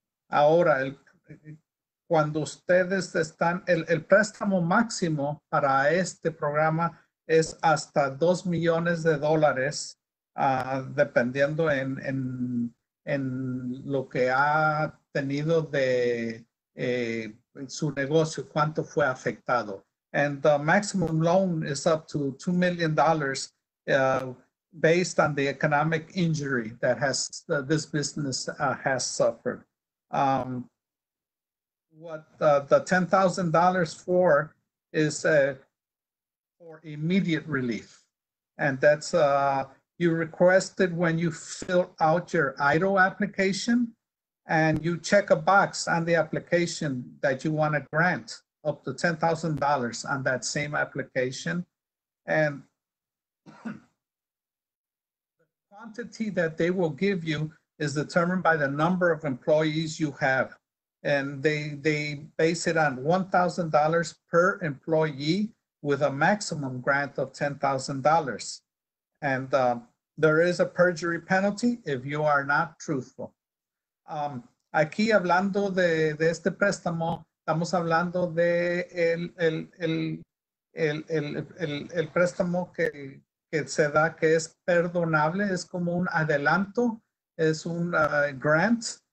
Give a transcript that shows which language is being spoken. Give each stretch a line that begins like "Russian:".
Spanish: Ahora, cuando ustedes están, el préstamo máximo para este programa es hasta $2,000,000, dependiendo en lo que ha tenido de su negocio, cuánto fue afectado.
English: And the maximum loan is up to $2,000,000 based on the economic injury that has this business has suffered. What the $10,000 for is for immediate relief, and that's you request it when you fill out your EIDL application, and you check a box on the application that you want to grant up to $10,000 on that same application, and the quantity that they will give you is determined by the number of employees you have. And they base it on $1,000 per employee with a maximum grant of $10,000. And there is a perjury penalty if you are not truthful.
Spanish: Aquí hablando de este préstamo, estamos hablando de el préstamo que se da, que es perdonable, es como un adelanto, es un grant.